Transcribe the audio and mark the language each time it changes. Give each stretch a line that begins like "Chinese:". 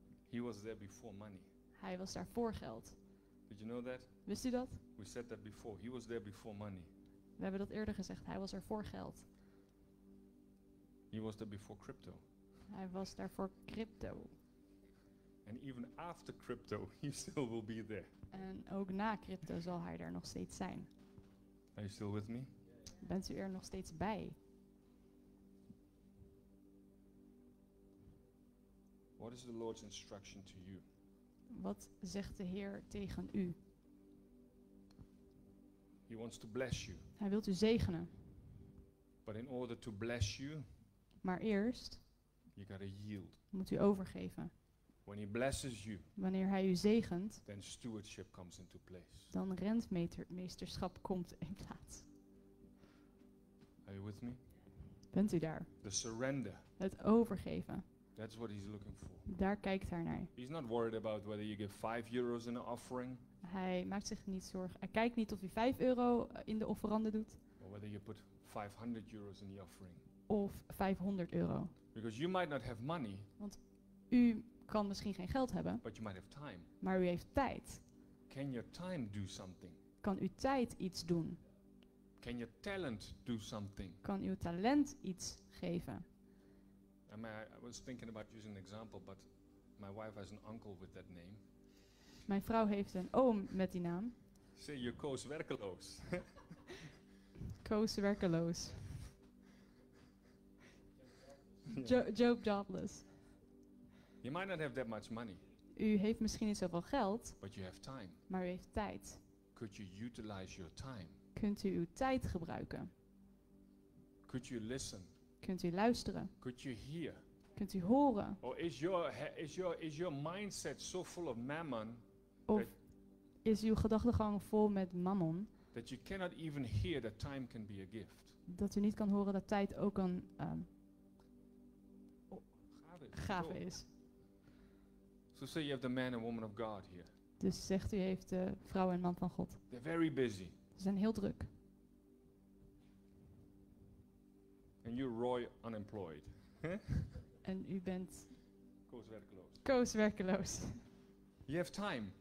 English: He was there before money.
Dutch: Hij was daar voor geld.
English: Did you know that?
Dutch: Wist u dat?
English: We said that before. He was there before money.
Dutch: We hebben dat eerder gezegd. Hij was er voor geld.
English: He was there before crypto.
Dutch: Hij was daar voor crypto.
English: And even after crypto, he still will be there.
Dutch: En ook na crypto zal hij daar nog steeds zijn.
English: Are you still with me?
Dutch: Bent u er nog steeds bij?
English: What is the Lord's instruction to you?
Dutch: Wat zegt de Heer tegen u?
English: He wants to bless you.
Dutch: Hij wilt u zegenen.
English: But in order to bless you,
Dutch: maar eerst
English: you gotta yield.
Dutch: Moet u overgeven.
English: When he blesses you,
Dutch: wanneer hij u zegent,
English: then stewardship comes into place.
Dutch: Dan rentmeesterschap komt in plaats.
English: Are you with me?
Dutch: Bent u daar?
English: The surrender.
Dutch: Het overgeven.
English: That's what he's looking for.
Dutch: Daar kijkt hij naar.
English: He's not worried about whether you give 5 euros in an offering.
Dutch: Hij maakt zich niet zorgen. Hij kijkt niet of hij 5 euro in de offerande doet.
English: Or whether you put 500 euros in the offering.
Dutch: Of 500 euro.
English: Because you might not have money.
Dutch: Want u kan misschien geen geld hebben.
English: But you might have time.
Dutch: Maar u heeft tijd.
English: Can your time do something?
Dutch: Kan uw tijd iets doen?
English: Can your talent do something?
Dutch: Kan uw talent iets geven?
English: I was thinking about using an example, but my wife has an uncle with that name.
Dutch: Mijn vrouw heeft een oom met die naam.
English: Say you're Koos Werkeloos.
Dutch: Koos Werkeloos.
English: Job Jobless. You might not have that much money.
Dutch: U heeft misschien niet zoveel geld.
English: But you have time.
Dutch: Maar u heeft tijd.
English: Could you utilize your time?
Dutch: Kunt u uw tijd gebruiken?
English: Could you listen?
Dutch: Kunt u luisteren?
English: Could you hear?
Dutch: Kunt u horen?
English: Or is your mindset so full of mammon?
Dutch: Of is uw gedachtegang vol met mammon?
English: That you cannot even hear that time can be a gift.
Dutch: Dat u niet kan horen dat tijd ook een gave is.
English: So say you have the man and woman of God here.
Dutch: Dus zegt u heeft de vrouw en man van God.
English: They're very busy.
Dutch: Ze zijn heel druk.
English: And you're Roy unemployed.
Dutch: En u bent
English: Koos werkeloos. You have time.